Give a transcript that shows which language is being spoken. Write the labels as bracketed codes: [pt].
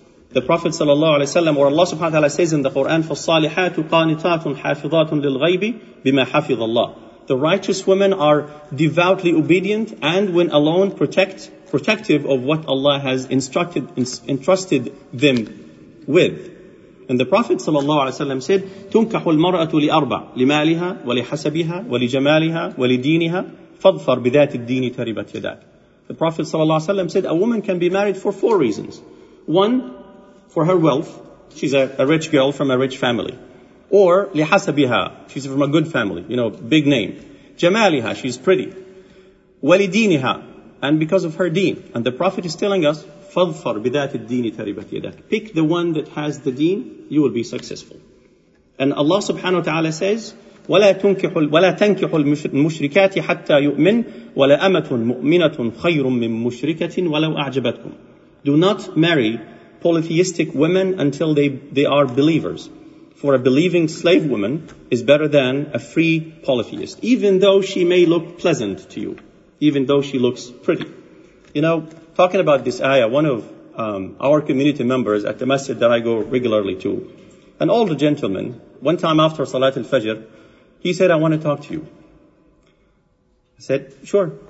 [en] The Prophet sallallahu alaihi wasallam, or Allah subhanahu wa ta'ala, says in the Quran, [ar] فَالصَّالِحَاتُ قَانِتَاتٌ حَافِظَاتٌ لِلْغَيْبِ بِمَا حَفِظَ اللَّهُ. [en] The righteous women are devoutly obedient and when alone protective of what Allah has entrusted them with. And the Prophet ﷺ said, [ar] تُنْكَحُ الْمَرْأَةُ لِأَرْبَعُ لِمَالِهَا وَلِحَسَبِهَا وَلِجَمَالِهَا وَلِدِينِهَا فَضْفَرْ بِذَاتِ الدِّينِ تَرِبَتْ يَدَاكَ. [en] The Prophet ﷺ said, a woman can be married for four reasons. One, for her wealth. She's a rich girl from a rich family. Or, لِحَسَبِهَا, she's from a good family, you know, big name. جَمَالِهَا, she's pretty. وَلِدِينِهَا, and because of her deen. And the Prophet is telling us, [ar] فَظْفَرْ بِذَاتِ الدِّينِ تَرِبَتْ يَدَكَ. [en] Pick the one that has the deen, you will be successful. And Allah subhanahu wa ta'ala says, [ar] وَلَا تَنْكِحُ الْمُشْرِكَاتِ حَتَّى يُؤْمِنْ وَلَا أَمَةٌ مُؤْمِنَةٌ خَيْرٌ مِّن مُشْرِكَةٍ وَلَوْ أَعْجَبَتْكُمْ. [en] Do not marry polytheistic women until they are believers. For a believing slave woman is better than a free polytheist, even though she may look pleasant to you, even though she looks pretty. You know, talking about this ayah, one of our community members at the masjid that I go regularly to, an older gentleman, one time after Salat al-Fajr, he said, I want to talk to you. I said, sure.